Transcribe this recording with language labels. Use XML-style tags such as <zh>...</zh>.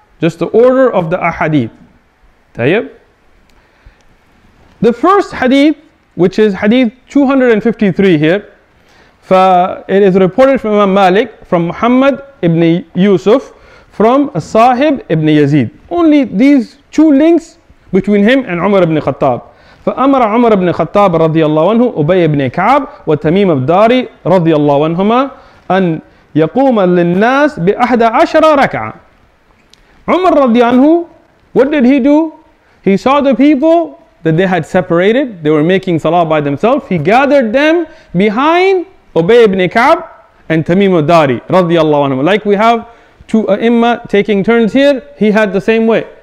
<en>Just the order of the ahadith. Tayyib. The first hadith, which is hadith 253 here, it is reported from Imam Malik, from Muhammad ibn Yusuf, from Sahib ibn Yazid. Only these two links between him and Umar ibn Khattab.</en> <ar>فأمر عمر بن خطاب رضي الله عنه أبي بن كعب وتميم الداري رضي الله عنهما أن يقوم للناس بأحد عشر ركعة. عمر رضي الله عنه,</ar> <en>what did he do? He saw the people that they had separated. They were making salah by themselves. He gathered them behind أبي بن كعب and تميم الداري رضي الله عنهما. Like we have two imams taking turns here. He had the same way.</en>